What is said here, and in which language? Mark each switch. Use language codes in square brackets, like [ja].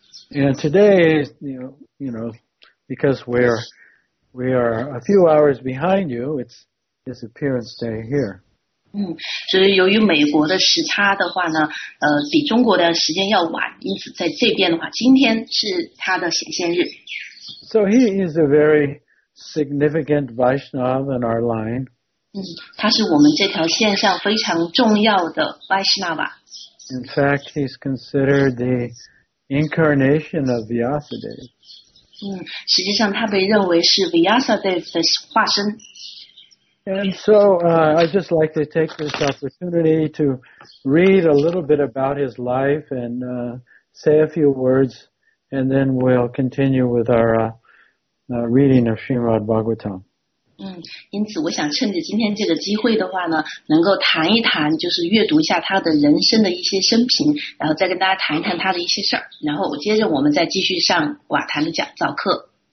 [en] And today, you know, because we are a few hours behind you. It's his appearance day here. [zh] 所以由于美国的时差的话呢，比中国的时间要晚，因此在这边的话，今天是他的显现日。 [en] So he is a very significant Vaishnava in our line. [zh] 他是我们这条线上非常重要的 Vaishnava. [en] In fact, he's considered the incarnation of Vyasadeva. [zh] 实际上他被认为是 Vyasadeva 的化身。 [en] And so, I'd just like to take this opportunity to read a little bit about his life and, say a few words, and then we'll continue with our, reading of Srimad Bhagavatam. [zh] 因此我想趁着今天这个机会的话呢，能够谈一谈，就是阅读一下他的人生的一些生平，然后再跟大家谈一谈他的一些事儿，然后接着我们再继续上瓦坛的讲造课。